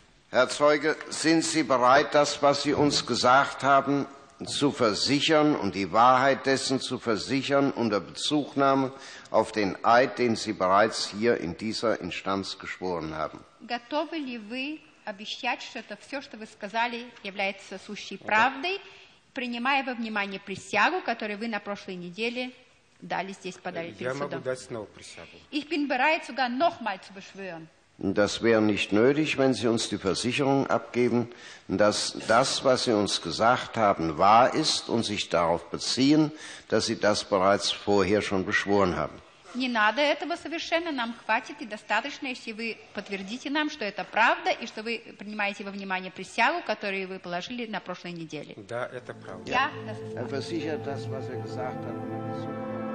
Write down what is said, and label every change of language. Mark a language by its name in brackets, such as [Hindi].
[German] Herr Zeuge, sind Sie bereit, das, was Sie uns gesagt haben, zu versichern und die Wahrheit dessen zu versichern unter Bezugnahme auf den Eid, den Sie bereits hier in dieser Instanz geschworen haben? [Russian] Готовы ли вы обещать, что это все, что вы сказали, является сущей правдой, принимая во внимание присягу, которую вы на прошлой неделе дали здесь подали перед судом? Я могу дать снова присягу. [German] Ich bin bereit, sogar nochmal zu beschwören. Das wäre nicht nötig, wenn Sie uns die Versicherung abgeben, dass das, was Sie uns gesagt haben, wahr ist und sich darauf beziehen, dass Sie das bereits vorher schon beschworen haben. [Russian] Не надо этого совершенно, нам хватит и достаточно, если вы подтвердите нам, что это правда и что вы принимаете во внимание присягу, которую вы положили на прошлой неделе. Да, это правда. Я достаточно. [German] Versichert das, was er gesagt hat.